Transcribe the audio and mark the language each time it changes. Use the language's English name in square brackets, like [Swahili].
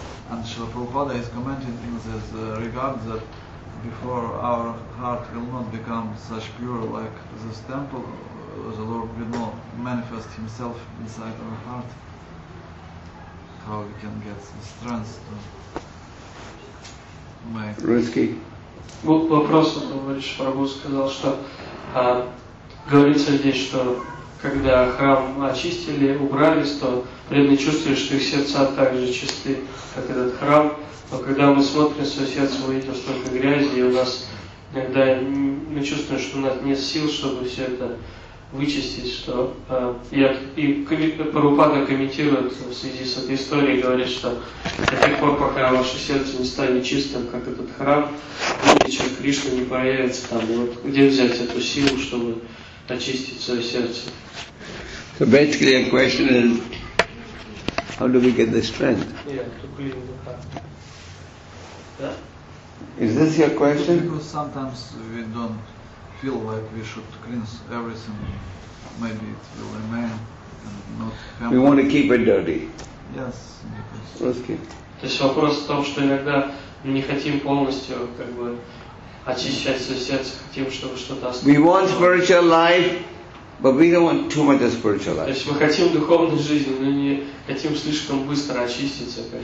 [English] And Srila Prabhupada is commenting in this regard that before our heart will not become such pure like this temple, the Lord will not manifest himself inside our heart. How we can get the strength to make... Risky. [Russian] Вот вопрос, товарищ Прабху сказал, что говорится здесь, что когда храм очистили, убрались, то преданные чувствуют, что их сердца также чисты, как этот храм. Но когда мы смотрим, свое сердце увидим столько грязи, и у нас иногда мы чувствуем, что у нас нет сил, чтобы все это вычистить, что Прабхупада комментирует в связи с этой историей, говорит, что до тех пор, пока ваше сердце не станет чистым, как этот храм, ничего Кришна не появится там. Вот где взять эту силу, чтобы очистить свое сердце? [English] So basically the question is, how do we get the strength? Yeah, to clean the heart. Yeah? Is this your question? Because sometimes we don't feel like we should cleanse everything. Maybe it will remain and not happen. We want to keep it dirty. Yes. [Russian] То есть вопрос в том, что иногда мы не хотим полностью как бы очищать свое сердце, хотим, чтобы что-то осталось. [English] We want spiritual life, but we don't want too much of spiritual life. [Russian] То есть мы хотим духовной жизни, но не хотим слишком быстро очиститься.